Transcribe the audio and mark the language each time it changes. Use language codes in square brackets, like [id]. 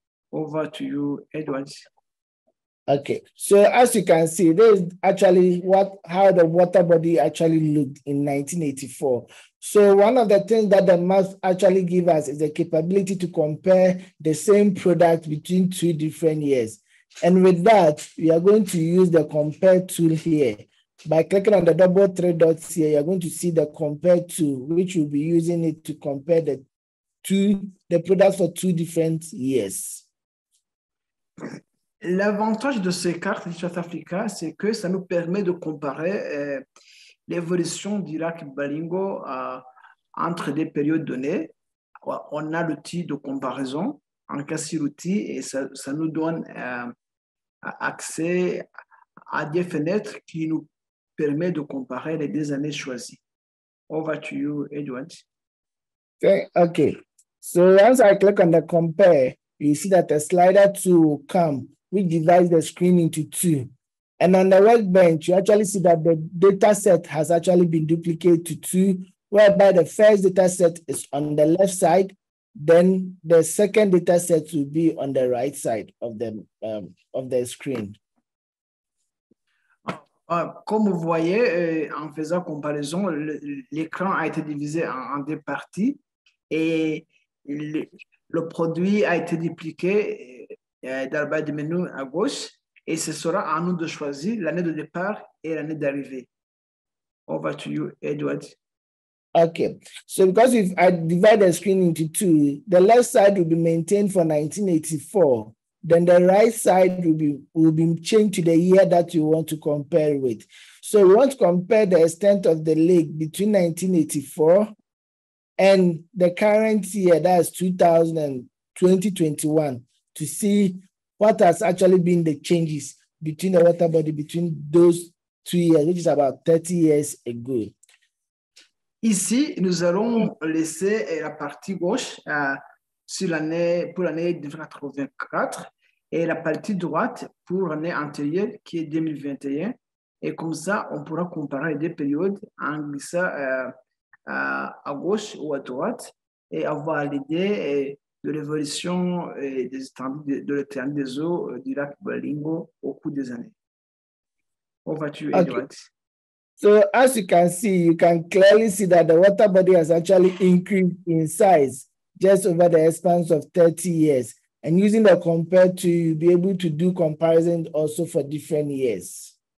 [en] Over to you, Edward. Okay, so as you can see, this is actually how the water body actually looked in 1984. So one of the things that the map actually give us is the capability to compare the same product between two different years. And with that, we are going to use the compare tool here. By clicking on the double three dots here, you're going to see the compare tool, which will be using it to compare the products for two different years. [fr] L'avantage de ces cartes de South Africa, c'est que ça nous permet de comparer l'évolution du lac Balingo entre des périodes données. On a l'outil de comparaison, en cas sur outil, et ça nous donne accès à des fenêtres qui nous permettent de comparer les deux années choisies. [en] Over to you, Edward. Okay. So once I click on the compare, you see that the slider tool will come. We divide the screen into two. And on the workbench, you actually see that the data set has actually been duplicated to two, whereby the first data set is on the left side, then the second data set will be on the right side of the screen. [fr] Comme vous voyez, en faisant comparaison, l'écran a été divisé en deux parties et le produit a été dupliqué dans le bas du menu à gauche, et ce sera à nous de choisir l'année de départ et l'année d'arrivée. [en] Over to you, Edward. Okay, so because if I divide the screen into two, the left side will be maintained for 1984, then the right side will be changed to the year that you want to compare with. So we want to compare the extent of the lake between 1984 and the current year, that's 2021. To see what has actually been the changes between the water body between those 2 years, which is about 30 years ago. [fr] Ici, nous allons laisser la partie gauche sur l'année pour l'année 1984 et la partie droite pour l'année antérieure qui est 2021. Et comme ça, on pourra comparer les deux périodes en glissant à gauche ou à droite et avoir l'idée de l'évolution et de l'étendue des eaux du lac Balingo au cours des années. [en] Over to you, Edward. Okay. So as you can see, you can clearly see that the water body has actually increased in size just over the span of 30 years. And using the compare to be able to do comparison also for different years.